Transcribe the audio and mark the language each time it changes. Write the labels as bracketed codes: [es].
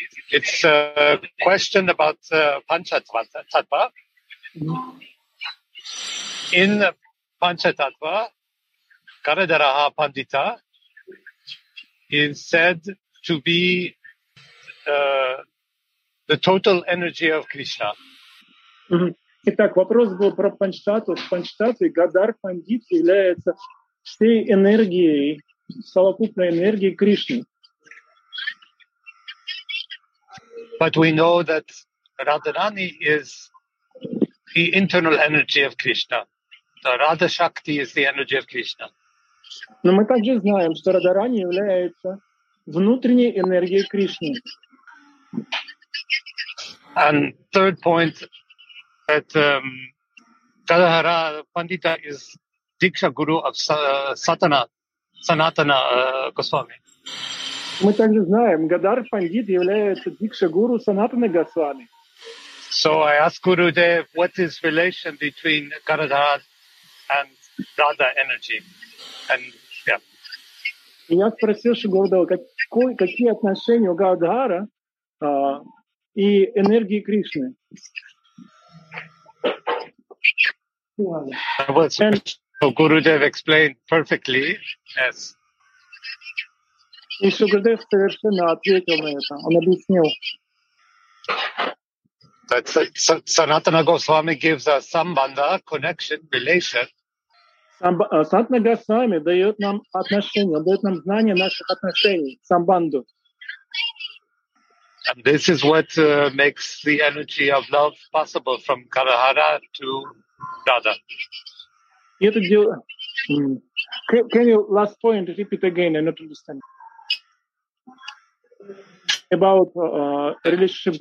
[en] It's a question about Panchatattva. In Panchatattva, Karadaraha Pandita, is said to be the total energy of Krishna. [ru] Итак, вопрос был про Панчтату. Панчтату, Гадар Пандит является всей энергией, совокупной энергией Кришны. [en] But we know that Radharani is the internal energy of Krishna. The Radha Shakti is the energy of Krishna. [ru] Но мы также знаем, что Радарани является внутренней энергией Кришны. [en] And third point, that Gadadhara Pandita is Diksha Guru of Satana, Sanatana Goswami. [ru] Мы также знаем, Гадар Пандит является Дикша Гуру Санатана Госвами. [en] So I ask Gurudev, what is relation between Gadadhara and Radha energy? And yeah. [ru] Я спросил Гурудева, какие отношения у Гададхара и энергии Кришны? [en] Gurudev explained perfectly. Yes. [ru] И Шугурдев совершенно ответил на это. Он объяснил. [en] Санатана Госвами gives us самбанда, connection, relation. [ru] Санатана Госвами дает нам отношения, дает нам знание наших отношений, самбанду. [en] And this is what makes the energy of love possible from Karahara to Radha. Can you last point repeat again? I don't understand. About relationship